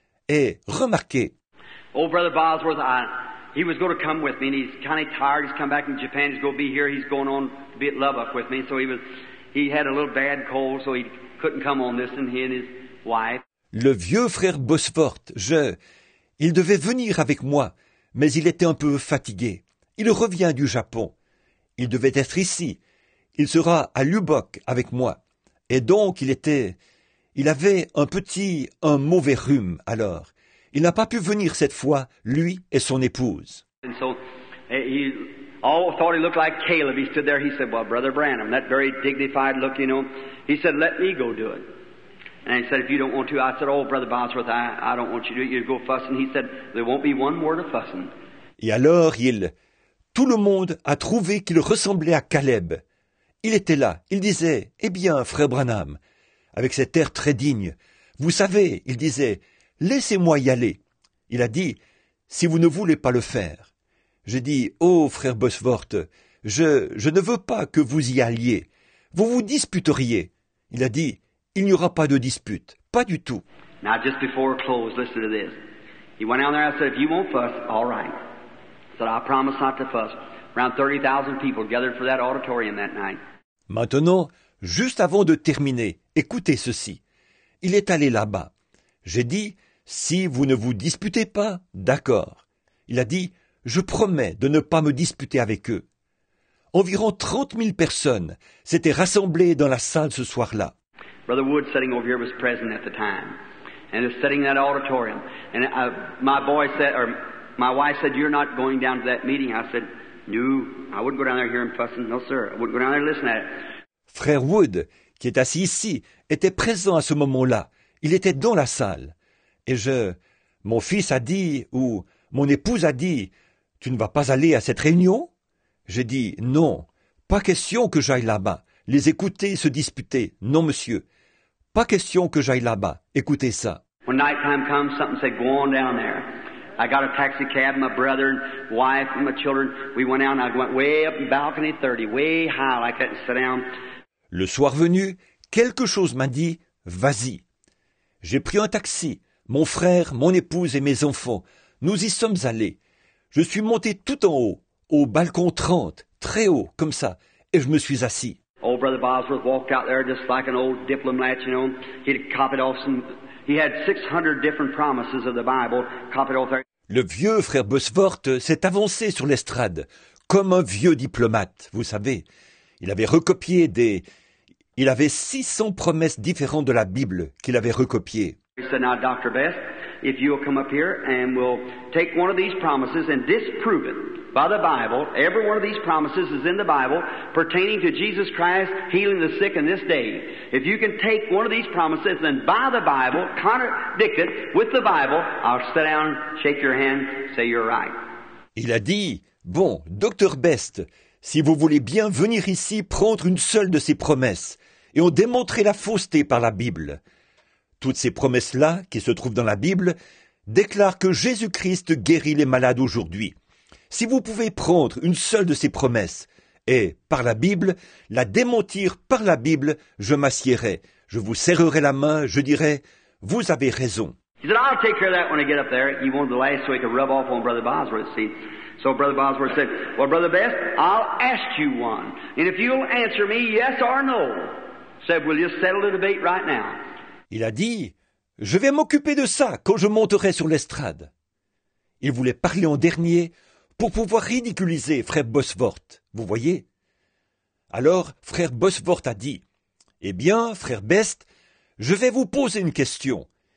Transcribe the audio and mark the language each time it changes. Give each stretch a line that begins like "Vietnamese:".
French: Et remarquez.
English: Old Brother Bosworth, he was going to come with me and he's kind of tired. He's come back from Japan. He's going to be here. He's going on to be at Lubbock with me. So he had a little bad cold, so he couldn't come on this, and he and his wife.
French: Le vieux frère Bosworth, il devait venir avec moi, mais il était un peu fatigué. Il revient du Japon. Il devait être ici. Il sera à Lubbock avec moi. Et donc, il avait un mauvais rhume, alors. Il n'a pas pu venir cette fois, lui et son épouse.
English: And so, all thought he looked like Caleb. He stood there. He said, well, Brother Branham, that very dignified look, you know. He said, let me go do it. And he said, if you don't want to. I said, oh, Brother Bosworth, I don't want you to do it. You go fussing. He said, there won't be one word of fussing.
French: Et alors, tout le monde a trouvé qu'il ressemblait à Caleb. Il était là. Il disait, eh bien, Frère Branham, avec cet air très digne, vous savez, il disait, laissez-moi y aller. Il a dit, si vous ne voulez pas le faire. J'ai dit, « Oh, frère Bosworth, je ne veux pas que vous y alliez. Vous vous disputeriez. » Il a dit, « Il n'y aura pas de dispute. Pas du tout. »
English: Now, just before we close, listen to this. He went down there, I said, « If you won't fuss, all right. » I said, « I promise not to fuss. » Around 30,000 people gathered for that auditorium that night.
French: Maintenant, juste avant de terminer, écoutez ceci. Il est allé là-bas. J'ai dit, « Si vous ne vous disputez pas, d'accord. » Il a dit, « Je promets de ne pas me disputer avec eux. » Environ 30 000 personnes s'étaient rassemblées dans la salle ce soir-là.
English: Brother Wood, sitting over here, was present at the time. and is sitting in that auditorium. And my boy said, or my wife said, "You're not going down to that meeting." I said, "No, I wouldn't go down there and hear him fussing. No, sir, I wouldn't go down there and listen at it."
French: Frère Wood, qui est assis ici, était présent à ce moment-là. Il était dans la salle. Et mon fils a dit, ou mon épouse a dit, « Tu ne vas pas aller à cette réunion ?» J'ai dit, « Non, pas question que j'aille là-bas. Les écouter se disputer. Non, monsieur. Pas question que j'aille là-bas. Écoutez ça. »
English: When night time comes, something said, go on down there. I got a taxi cab, my brother, wife, and my children. We went out and I went way up in balcony 30, way high, like that, and sit down.
French: Le soir venu, quelque chose m'a dit, vas-y. J'ai pris un taxi, mon frère, mon épouse et mes enfants. Nous y sommes allés. Je suis monté tout en haut, au balcon 30, très haut, comme ça, et je me suis assis.
English: Old brother Bosworth walked out there just like an old diplomat, you know. He'd copied off some... He had 600 different promises of the Bible copied off there.
French: Le vieux frère Bosworth s'est avancé sur l'estrade, comme un vieux diplomate, vous savez. Il avait recopié des... Il avait 600 promesses différentes de la Bible qu'il avait recopiées.
English: He said, now, Dr. Best, if you'll come up here and we'll take one of these promises and disprove it by the Bible, every one of these promises is in the Bible pertaining to Jesus Christ healing the sick in this day. If you can take one of these promises and by the Bible, contradict it with the Bible, I'll sit down, shake your hand, say you're right.
French: Il a dit, bon, Dr. Best, si vous voulez bien venir ici prendre une seule de ces promesses et en démontrer la fausseté par la Bible. Toutes ces promesses-là, qui se trouvent dans la Bible, déclarent que Jésus-Christ guérit les malades aujourd'hui. Si vous pouvez prendre une seule de ces promesses et, par la Bible, la démentir par la Bible, je m'assiérai, je vous serrerai la main, je dirai, vous avez raison.
English: He said, I'll take care of that when I get up there. He wanted the light so he could rub off on Brother Bosworth, see. So Brother Bosworth said, well, Brother Best, I'll ask you one. And if you'll answer me yes or no, said, we'll just settle the debate right now.
French: Il a dit, je vais m'occuper de ça quand je monterai sur l'estrade. Il voulait parler en dernier pour pouvoir ridiculiser frère Bosworth, vous voyez. Alors frère Bosworth a dit, eh bien, frère Best, je vais vous poser une question.